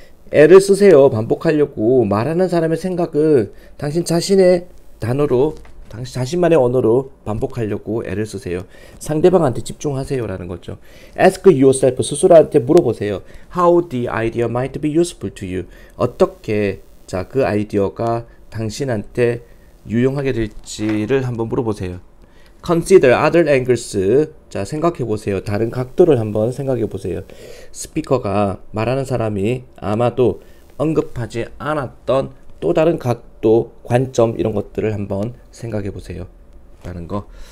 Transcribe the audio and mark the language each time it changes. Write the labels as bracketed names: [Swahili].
[Korean] 애를 쓰세요. 반복하려고 말하는 사람의 생각을 당신 자신의 단어로, 당신 자신만의 언어로 반복하려고 애를 쓰세요. 상대방한테 집중하세요라는 거죠. [English] Ask yourself [Korean] 스스로한테 물어보세요. [English] How the idea might be useful to you? [Korean] 어떻게 자, 그 아이디어가 당신한테 유용하게 될지를 한번 물어보세요. [English] Consider other angles. [Korean] 자, 생각해 보세요. 다른 각도를 한번 생각해 보세요. 스피커가 말하는 사람이 아마도 언급하지 않았던 또 다른 각도, 관점 이런 것들을 한번 생각해 보세요. 라는 거.